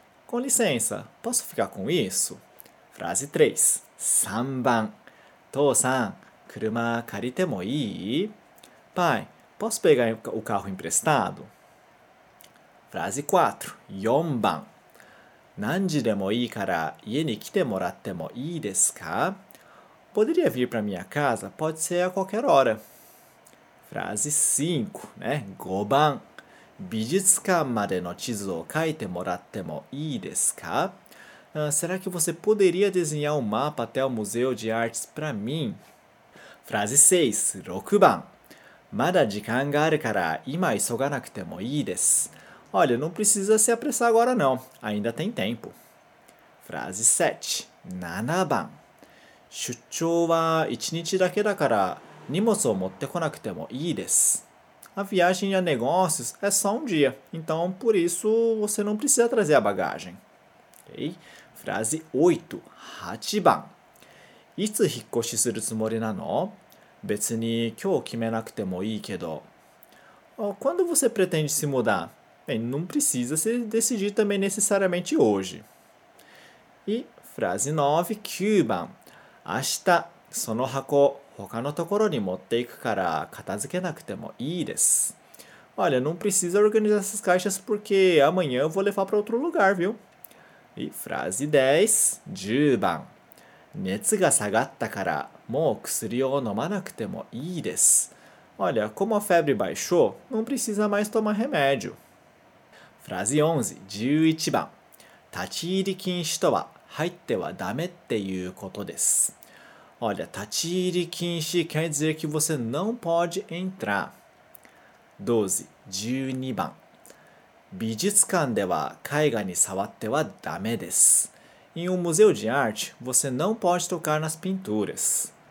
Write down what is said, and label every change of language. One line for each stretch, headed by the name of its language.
Portuguese: Com licença, posso ficar com isso? Frase 3,
Japanese: 3番父さん、車借りてもいい?
Portuguese: Pai, posso pegar o carro emprestado? Frase 4,
Japanese: 4番何時でもいいから家に来てもらってもいいですか?
Portuguese: Poderia vir para minha casa? Pode ser a qualquer hora. Frase 5, né?
Japanese: 5番美術館までの地図を書いてもらってもいいですか?
Portuguese: Será que você poderia desenhar um mapa até o Museu de Artes para mim? Frase 6,
Japanese: 6番まだ時間があるから今急がなくてもいいです。
Portuguese: Olha, não precisa se apressar agora não, ainda tem tempo. Frase 7,
Japanese: 7番出張は1日だけだから荷物を持ってこなくてもいいです。
Portuguese: A viagem a negócios é só um dia, então por isso você não precisa trazer a bagagem. Okay? Frase 8,
Japanese: 8番いつ引っ越しするつもりなの? 別に今日決めなくてもいいけど。
Portuguese: Quando você pretende se mudar? Bem, não precisa se decidir também necessariamente hoje. E frase 9,
Japanese: 9番明日その箱他のところに持っていくから片付けなくてもいいです。
Portuguese: Olha, não precisa organizar essas caixas porque amanhã eu vou levar para outro lugar, viu? E frase 10,
Japanese: 10番熱が下がったからもう薬を飲まなくてもいいです。
Portuguese: Olha, como a febre baixou, não precisa mais tomar remédio. Frase 11,
Japanese: 11番立ち入り禁止とは入ってはダメっていうことです。
Portuguese: Olha, tachiri kinshi quer dizer que você não pode entrar.
Japanese: 12, 12番 Bijitsukan dewa kaiga ni sawatte wa dame desu.
Portuguese: Em um museu de arte, você não pode tocar nas pinturas.